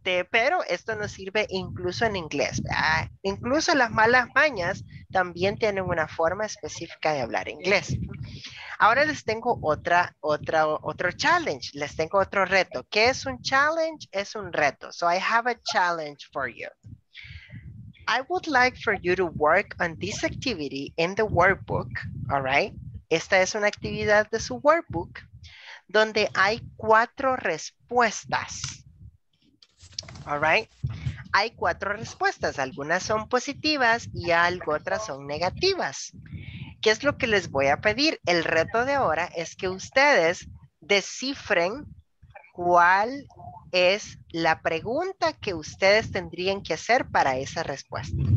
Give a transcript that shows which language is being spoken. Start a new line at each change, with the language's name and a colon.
Spanish: Pero esto nos sirve incluso en inglés, ¿verdad? Incluso las malas mañas también tienen una forma específica de hablar inglés. Ahora les tengo otro challenge, les tengo otro reto. ¿Qué es un challenge? Es un reto.
English: So I have a challenge for you. I would like for you to work on this activity in the workbook, all right?
Spanish: Esta es una actividad de su workbook donde hay 4 respuestas.
English: All right.
Spanish: Hay 4 respuestas. Algunas son positivas y otras son negativas. ¿Qué es lo que les voy a pedir? El reto de ahora es que ustedes descifren cuál es la pregunta que ustedes tendrían que hacer para esa respuesta.